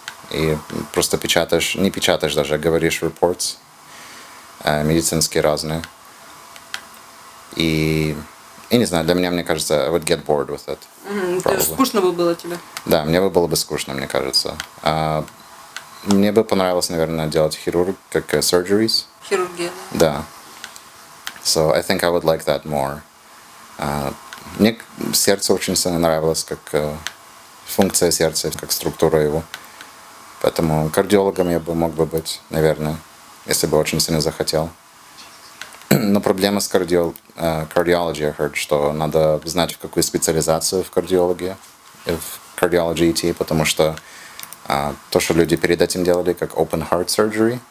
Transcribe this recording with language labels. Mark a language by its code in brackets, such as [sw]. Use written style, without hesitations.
[ru] И просто печатаешь, не печатаешь даже, а говоришь [en] reports, [ru] медицинские разные. И не знаю, для меня, мне кажется, [en] I would get bored with it. [ru] Скучно бы было тебе. Да, мне бы было бы скучно, мне кажется. Мне бы понравилось, наверное, делать хирург, как [en] surgeries. [ru] Хирургия, да. [en] So I think I would like that more. [ru] Мне сердце очень сильно нравилось, как функция сердца, как структура его. Поэтому кардиологом я бы мог бы быть, наверное, если бы очень сильно захотел. Но проблема с кардиологией, я [en] heard, [ru] что надо знать, в какую специализацию в кардиологии, в кардиологии идти, потому что то, что люди перед этим делали, как [en] open heart surgery.